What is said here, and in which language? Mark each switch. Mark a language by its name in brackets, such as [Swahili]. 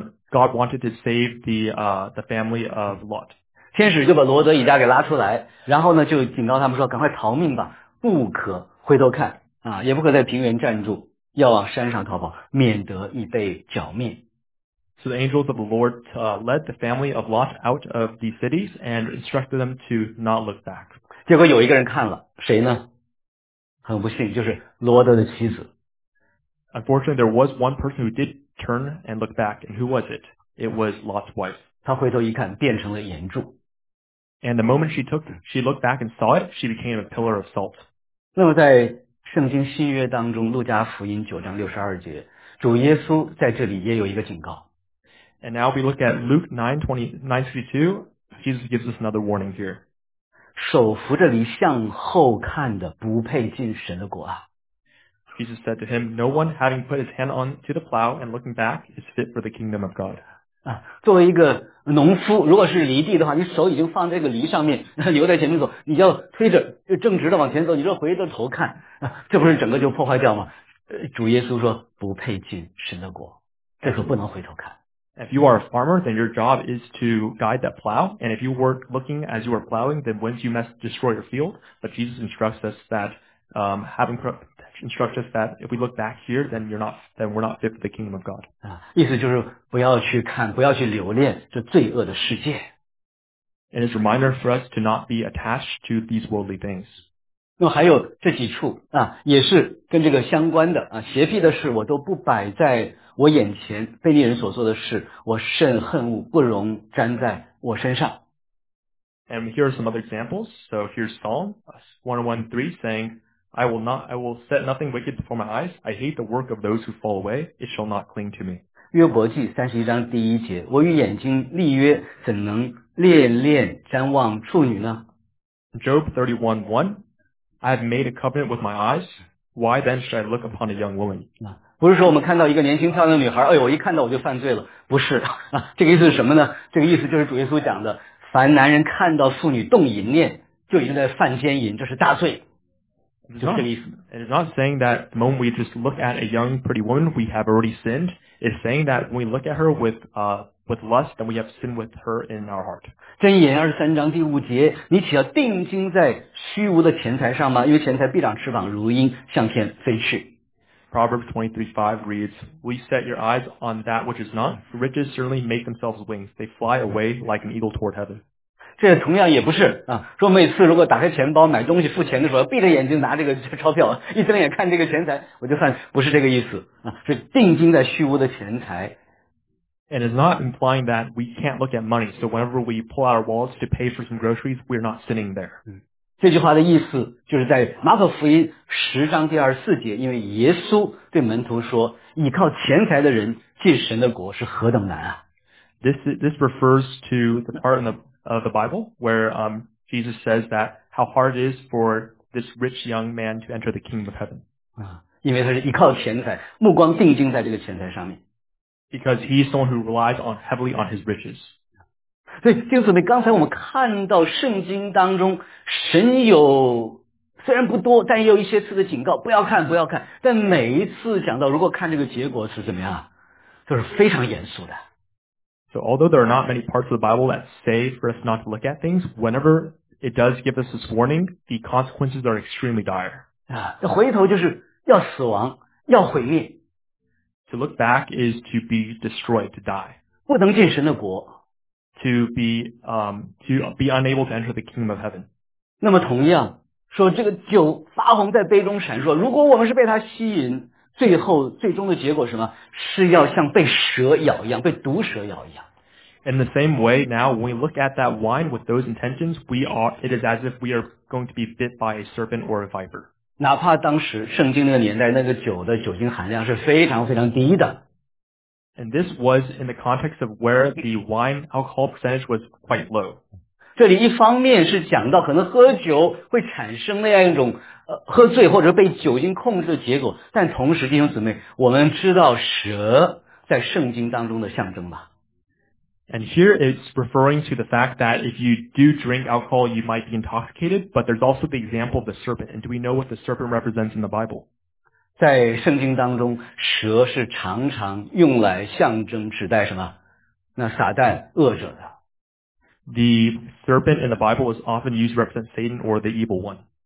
[English] God wanted to save the family of Lot. [Chinese] 天使就把罗德一家给拉出来，然后呢就警告他们说：“赶快逃命吧，不可回头看啊，也不可在平原站住。” 要往山上逃跑，免得已被剿灭。 [English] So the angels of the Lord led the family of Lot out of the cities and instructed them to not look back. [Chinese] 结果有一个人看了，谁呢？很不幸，就是罗德的妻子。 [English] Unfortunately, there was one person who did turn and look back, and who was it? It was Lot's wife. [Chinese] 她回头一看，变成了岩柱。 [English] And the moment she looked back and saw it, she became a pillar of salt. [Chinese] 那么在圣经新约当中，路加福音九章六十二节，主耶稣在这里也有一个警告。 [English] And now we look at Luke 9:29. Jesus gives us another warning here. [Chinese] 手扶着犁向后看的，不配进神的国啊。 [English] Jesus said to him, "No one having put his hand on to the plow and looking back is fit for the kingdom of God." [Chinese] 啊，作为一个农夫，如果是犁地的话，你手已经放在这个犁上面，留在前面走，你要推着就正直的往前走，你说回着头看，这不是整个就破坏掉吗？主耶稣说不配进神的国，这可不能回头看。 [English] If you are a farmer, then your job is to guide that plow, and if you were looking as you are plowing, then once you must destroy your field. But Jesus instructs us that if we look back here, then we're not fit for the kingdom of God. [Chinese] 意思就是不要去看，不要去留恋这罪恶的世界。 [English] And it's a reminder for us to not be attached to these worldly things. [Chinese] 那还有这几处啊，也是跟这个相关的啊，邪僻的事我都不摆在我眼前，非利人所做的事，我甚恨恶，不容沾在我身上。 [English] And here are some other examples. So here's Psalm 101:3 saying, I will set nothing wicked before my eyes. I hate the work of those who fall away. It shall not cling to me. [Chinese] 约伯记三十一章第一节，我与眼睛立约，怎能恋恋瞻望处女呢？ [English] Job 31:1, I have made a covenant with my eyes. Why then should I look upon a young woman? [Chinese] 不是说我们看到一个年轻漂亮的女孩，哎呦，我一看到我就犯罪了，不是啊。这个意思是什么呢？这个意思就是主耶稣讲的，凡男人看到妇女动淫念，就已经在犯奸淫，这是大罪。 [English] It is not saying that the moment we just look at a young pretty woman, we have already sinned. It's saying that when we look at her with lust, then we have sinned with her in our heart. [Chinese] 箴言二十三章第五节，你岂要定睛在虚无的钱财上吗？因为钱财必长翅膀，如鹰向天飞去。 [English] Proverbs 23:5 reads, "We set your eyes on that which is not. Riches certainly make themselves wings; they fly away like an eagle toward heaven." [Chinese] 这同样也不是啊，说每次如果打开钱包买东西付钱的时候，闭着眼睛拿这个钞票，一睁眼看这个钱财，我就犯，不是这个意思啊，是定睛在虚无的钱财。 [English] And it's not implying that we can't look at money. So whenever we pull out our wallets to pay for some groceries, we're not sinning there. [Chinese] 这句话的意思就是在马可福音十章第二十四节，因为耶稣对门徒说，倚靠钱财的人进神的国是何等难啊。 [English] This refers to the part of the Bible where Jesus says that how hard it is for this rich young man to enter the kingdom of heaven. [Chinese] 因为他是依靠钱财，目光定睛在这个钱财上面。 [English] Because he is someone who relies on heavily on his riches. [Chinese] 对，弟兄姊妹，刚才我们看到圣经当中，神有虽然不多，但也有一些次的警告，不要看，不要看。但每一次讲到，如果看这个结果是怎么样，都是非常严肃的。 [English] So although there are not many parts of the Bible that say for us not to look at things, whenever it does give us this warning, the consequences are extremely dire. [Chinese] 啊，回头就是要死亡，要毁灭。 [English] To look back is to be destroyed, to die. [Chinese] 不能进神的国。 [English] To be unable to enter the kingdom of heaven. [Chinese] 那么同样，说这个酒发红在杯中闪烁，如果我们是被它吸引，最后最终的结果是什么？是要像被蛇咬一样，被毒蛇咬一样。 [English] In the same way, now when we look at that wine with those intentions, it is as if we are going to be bit by a serpent or a viper. [Chinese] 哪怕当时圣经那个年代那个酒的酒精含量是非常非常低的。 [English] And this was in the context of where the wine alcohol percentage was quite low. [Chinese] 这里一方面是讲到可能喝酒会产生那样一种喝醉或者被酒精控制的结果，但同时弟兄姊妹，我们知道蛇在圣经当中的象征吧。 [English] And here it's referring to the fact that if you do drink alcohol, you might be intoxicated, but there's also the example of the serpent. And do we know what the serpent represents in the Bible? [Chinese] 在圣经当中，蛇是常常用来象征指代什么？那撒旦恶者的。 [English] The serpent in the Bible is often used to represent Satan or the evil one.